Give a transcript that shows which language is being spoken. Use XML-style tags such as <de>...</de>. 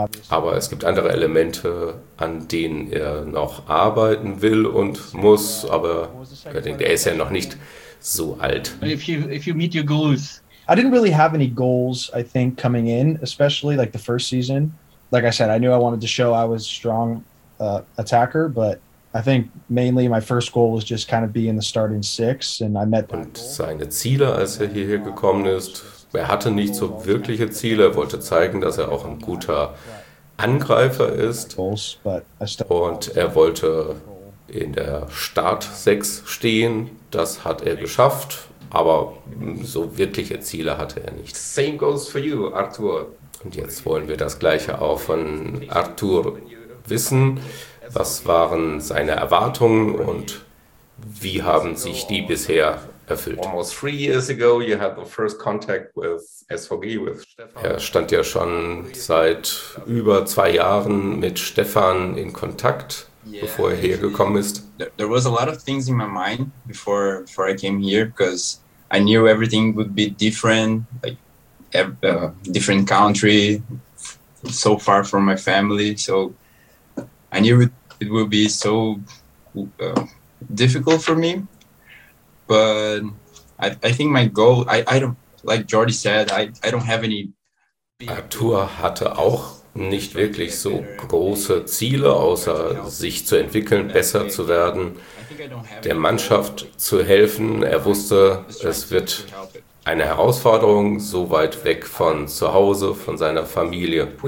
<de>Aber es gibt andere Elemente, an denen er noch arbeiten will und muss, aber er denkt, er ist ja noch nicht so alt.</de> <en>If you meet your goals. I didn't really have any goals, I think, coming in, especially like the first season. Like I said, I knew I wanted to show I was a strong attacker, but I think mainly my first goal was just kind of be in the starting six, and I met that.</en> <de>Und seine Ziele, als er hierher gekommen ist, er hatte nicht so wirkliche Ziele, er wollte zeigen, dass er auch ein guter Angreifer ist, und er wollte in der Startsechs stehen. Das hat er geschafft, aber so wirkliche Ziele hatte er nicht.</de> <en>Same goes for you, Arthur.</en> <de>Und jetzt wollen wir das Gleiche auch von Arthur wissen. Was waren seine Erwartungen und wie haben sich die bisher erfüllt?</de> <en>Almost 3 years ago, you had the first contact with SVG with Stefan.</en> <de>Er stand ja schon seit über 2 Jahren mit Stefan in Kontakt, bevor er hergekommen ist.</de> <en>There was a lot of things in my mind before I came here, because I knew everything would be different, like a different country, so far from my family. So I knew it would be so difficult for me. But I think my goal, I don't, like Jordi said, I don't have any.</en> <de>Arthur hatte auch nicht wirklich so große Ziele, außer sich zu entwickeln, besser zu werden, der Mannschaft zu helfen. Er wusste, es wird eine Herausforderung, so weit weg von zu Hause, von seiner Familie.</de>